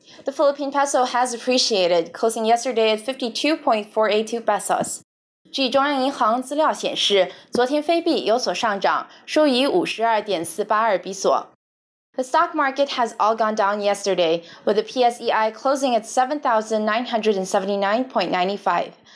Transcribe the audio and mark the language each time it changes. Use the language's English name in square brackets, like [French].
[English] The Philippine peso has appreciated, closing yesterday at 52.482 pesos. [Chinese] 据中央银行资料显示，昨天菲币有所上涨，收于52.482比索。 [English] The stock market has all gone down yesterday, with the PSEI closing at 7,979.95.